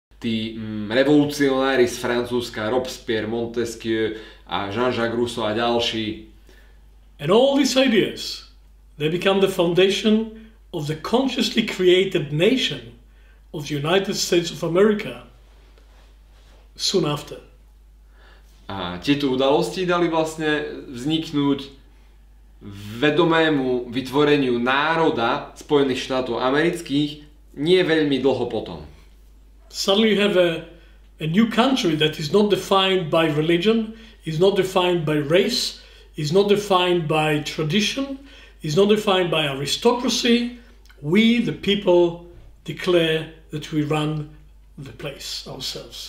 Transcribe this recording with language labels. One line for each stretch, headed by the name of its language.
Slovak: tí revolucionári z Francúzska, Robespierre, Montesquieu a Jean-Jacques Rousseau a ďalší.
English: And all these ideas, they become the foundation of the consciously created nation of the United States of America soon after.
Slovak: A tieto udalosti dali vlastne vzniknúť vedomému vytvoreniu národa Spojených štátov amerických nie veľmi dlho potom.
English: Suddenly you have a new country that is not defined by religion, is not defined by race, is not defined by tradition, is not defined by aristocracy. We, the people, declare that we run the place ourselves.